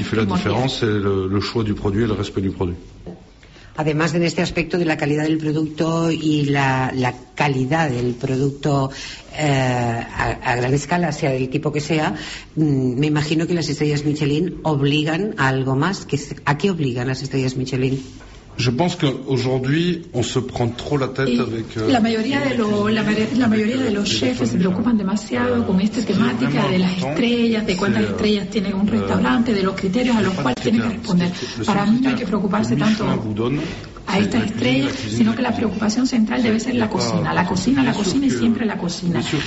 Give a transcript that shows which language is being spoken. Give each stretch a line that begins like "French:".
Spanish: Lo que hace la diferencia es el choix del producto y el respeto del producto. Además, en este aspecto de la calidad del producto y la calidad del producto a gran escala, sea del tipo que sea, me imagino que las estrellas Michelin obligan a algo más. ¿A qué obligan las estrellas Michelin?
French: Je pense que aujourd'hui on se prend trop la tête avec
Spanish: la mayoría de los chefs se preocupan demasiado con esta temática de las estrellas, de cuántas estrellas tiene un restaurante, de los criterios a los cuales tiene que responder. Para mí no hay que preocuparse tanto a estas estrellas, sino que la preocupación central debe ser la cocina y siempre la cocina.